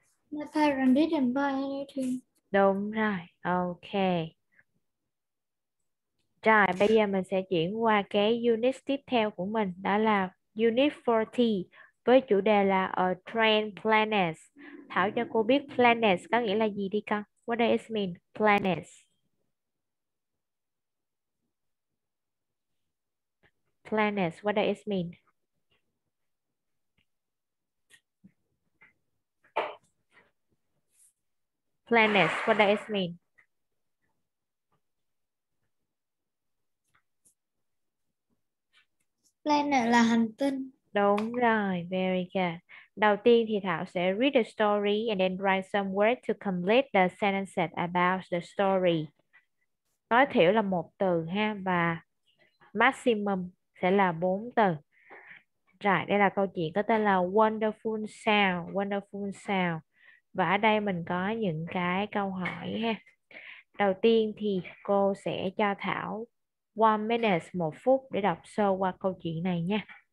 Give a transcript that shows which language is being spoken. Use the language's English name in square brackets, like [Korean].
[English] My parents didn't buy anything. [Vietnamese] Đúng rồi, ok. Rồi, bây giờ mình sẽ chuyển qua cái unit tiếp theo của mình. Đó là unit 40 với chủ đề là A Train Planets. Thảo cho cô biết planets có nghĩa là gì đi con. [English] What does it mean, planets? Planets, what does it mean? Planets, what does it mean? [Vietnamese] Planet là hành tinh. Đúng rồi, [English] very good. [Vietnamese] Đầu tiên thì Thảo sẽ [English] read the story and then write some words to complete the sentence about the story. [Vietnamese] Tối thiểu là một từ ha, và maximum sẽ là bốn từ. Rồi, đây là câu chuyện có tên là Wonderful Sound, Wonderful Sound. Và ở đây mình có những cái câu hỏi ha. Đầu tiên thì cô sẽ cho Thảo [English] 1 minute, [Vietnamese] một phút để đọc sơ qua câu chuyện này nha.